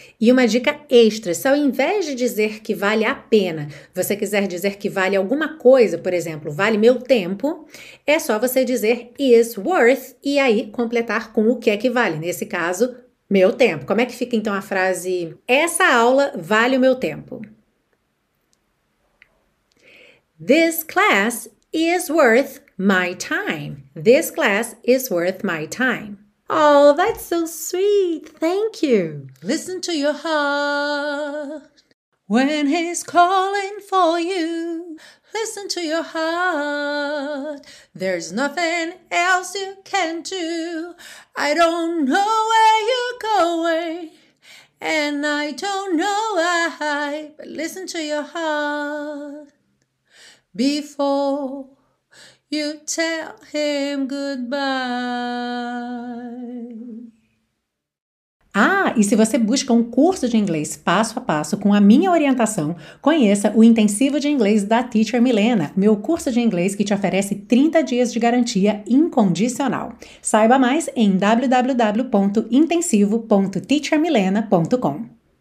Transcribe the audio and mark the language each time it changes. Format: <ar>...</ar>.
<pt>E uma dica extra, se ao invés de dizer que vale a pena, você quiser dizer que vale alguma coisa, por exemplo, vale meu tempo, é só você dizer is worth, e aí completar com o que é que vale, nesse caso, meu tempo. Como é que fica então a frase, essa aula vale o meu tempo?</pt> <en>This class is worth my time. This class is worth my time. Oh, that's so sweet. Thank you. Listen to your heart. When he's calling for you, listen to your heart. There's nothing else you can do. I don't know where you're going, and I don't know why, but listen to your heart before you tell him goodbye.</en> <pt>Ah, e se você busca um curso de inglês passo a passo com a minha orientação, conheça o Intensivo de Inglês da Teacher Milena, meu curso de inglês que te oferece 30 dias de garantia incondicional. Saiba mais em www.intensivo.teachermilena.com.</pt>